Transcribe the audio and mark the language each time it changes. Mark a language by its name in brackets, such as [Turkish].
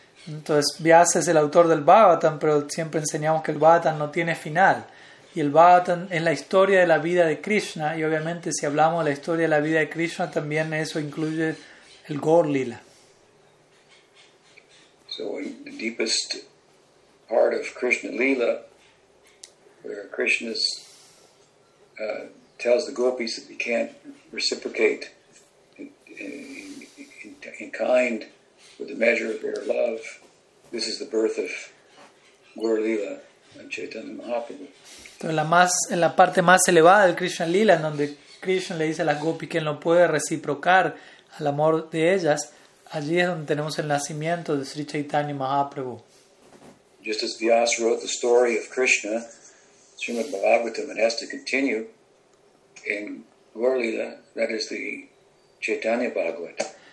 [Spanish] Entonces Vyasa es el autor del Bhagavatam, pero siempre enseñamos que el Bhagavatam no tiene final. Y el Bhagavatam es la historia de la vida de Krishna, y obviamente si hablamos de la historia de la vida de Krishna, también eso incluye el Gaur Lila. [English] So in the deepest part of Krishna Lila, where Krishna tells the gopis that he can't reciprocate in kind with the measure of their love, this is the birth of Gaur Lila and Chaitanya Mahaprabhu. [Spanish] Entonces, en la parte más elevada del Krishna Lila, en donde Krishna le dice a las gopis que él no puede reciprocar al amor de ellas, allí es donde tenemos el nacimiento de Sri Chaitanya Mahaprabhu. [English] Just as Vyasa wrote the story of Krishna, Srimad Bhagavatam, it has to continue in Gaur Lila, that is the Chaitanya Bhagavat.